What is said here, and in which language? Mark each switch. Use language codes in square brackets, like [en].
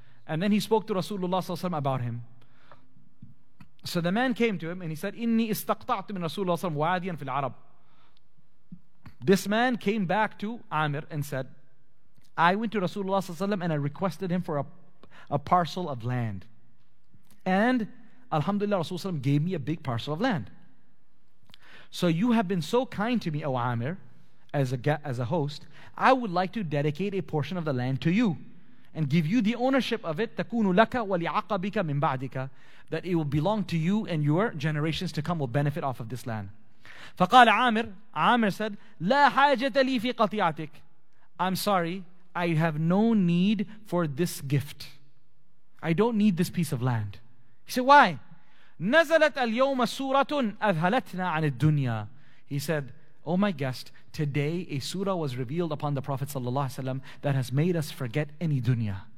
[en] And then he spoke to Rasulullah صَلَّى اللَّهُ عَلَيْهِ وَسَلَّمَ about him. So the man came to him and he said, [ar] إِنِّي إِسْتَقْطَعْتُ مِنْ رَسُولُ اللَّهِ صَلَّى اللَّهُ عَلَيْهِ وَسَلَّمَ وَعَادِيًا فِي الْعَرَبِ. [en] This man came back to Amir and said, I went to Rasulullah صَلَّى اللَّهُ عَلَيْهِ وَسَلَّمَ and I requested him for a parcel of land. And Alhamdulillah, Rasulullah ﷺ gave me a big parcel of land. So you have been so kind to me, O Amir, as a host, I would like to dedicate a portion of the land to you and give you the ownership of it, [ar] تَكُونُ لَكَ وَلِعَقَبِكَ مِنْ بَعْدِكَ, [en] that it will belong to you and your generations to come will benefit off of this land. [ar] فَقَالَ [en] Amir said, [ar] لَا حَاجَةَ لِي فِي قَطِيَعْتِكَ. [en] I'm sorry, I have no need for this gift. I don't need this piece of land. He said, why? [ar] نَزَلَتْ الْيَوْمَ سُورَةٌ أَذْهَلَتْنَا عَنِ الدُّنْيَا. [en] He said, oh my guest, today a surah was revealed upon the Prophet ﷺ that has made us forget any dunya.